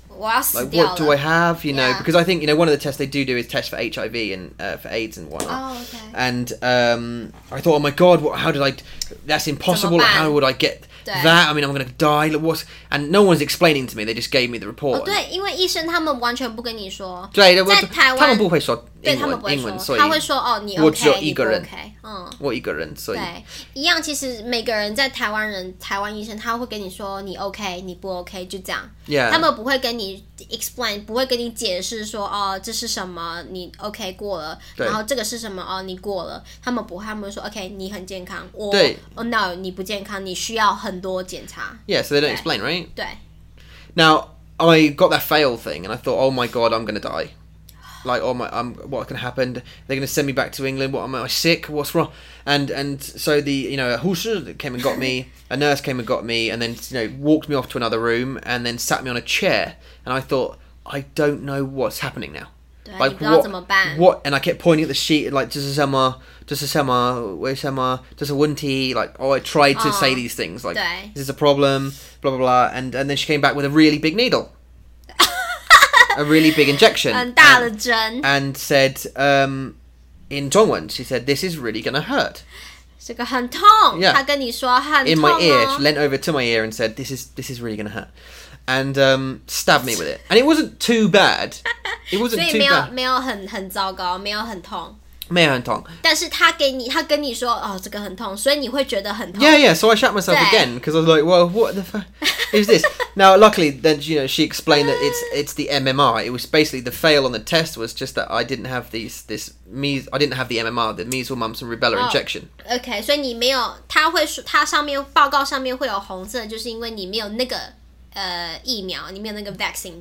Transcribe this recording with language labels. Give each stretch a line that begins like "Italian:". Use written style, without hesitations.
Chinese: 我要死掉了。
English: What do I have? You know, because I think, you know, one of the tests they do is test for HIV and for AIDS and whatnot. Oh, okay. And I thought, oh my God, how did I... That's impossible. How would I get... That, I mean, I'm going to die. Like, what's, and no one's explaining to me. They just gave me the report.
Chinese: Oh, 对，因为医生他们完全不跟你说。对，在台湾他们不会说英文，对，他们不会说，英文，所以他会说哦，你 OK，我只有一个人 OK， 嗯，我一个人，所以对，一样。其实每个人在台湾人，台湾医生他会跟你说你 OK， 你不 OK， 就这样。
English: Yeah.
Chinese: 他们不会跟你
English: explain，
Chinese: 不会跟你解释说哦，这是什么，你 OK 过了，然后这个是什么哦，你过了。他们不会，他们会说 OK， 你很健康，我对
English: oh no，
Chinese: 你不健康，你需要很多检查。
English: Yeah， so they don't explain， right？
Chinese: 对。
English: Now I got that fail thing, and I thought, oh my god, I'm gonna die. Like, oh my, what can happen? They're going to send me back to England. What, am I sick? What's wrong? And so the, you know, a husha came and got me, a nurse came and got me, and then, you know, walked me off to another room and then sat me on a chair. And I thought, I don't know what's happening now. Like, what, and I kept pointing at the sheet, like, I tried to say these things, like, is this a problem? Blah, blah, blah. And then she came back with a really big needle. A really big injection.
Chinese: 很大的针。
English: And said, in
Chinese: 中文,
English: she said, this is really going to hurt.
Chinese: 这个很痛。
English: Yeah.
Chinese: 她跟你说很痛哦。
English: In my ear, she leant over to my ear and said, this is really going to hurt. And stabbed me with it. And it wasn't too bad. It wasn't too bad.
Chinese: 所以没有很糟糕，没有很痛。没有很痛。但是她跟你说，哦，这个很痛，所以你会觉得很痛。
English: Yeah, yeah, so I shot myself again, because I was like, well, what the fuck? Is this now? Luckily, then you know she explained that it's the MMR. It was basically the fail on the test was just that I didn't have I didn't have the MMR, the measles, mumps, and rubella injection. Okay, so you
Chinese: 没有，他会说他上面报告上面会有红色，就是因为你没有那个疫苗，你没有那个
English: vaccine，